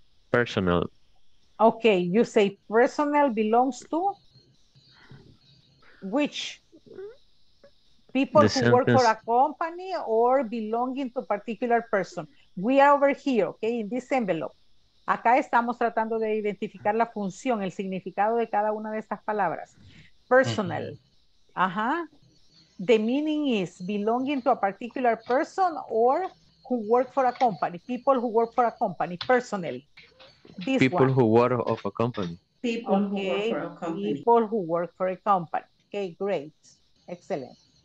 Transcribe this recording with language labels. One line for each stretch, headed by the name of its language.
English: Personal. Okay, you say personal belongs to which? People the who sentence. Work for a company or belonging to a particular person. We are over here, okay, in this envelope.
Spanish: Acá estamos tratando de identificar la función, el significado de cada una de estas palabras.
English: Personal. Ajá. The meaning is belonging to a particular person or who work for a company. People who work for a company. Personal. This people one. Who work of a company. People okay. Who work for a company. People who work for a company. Okay, great. Excellent.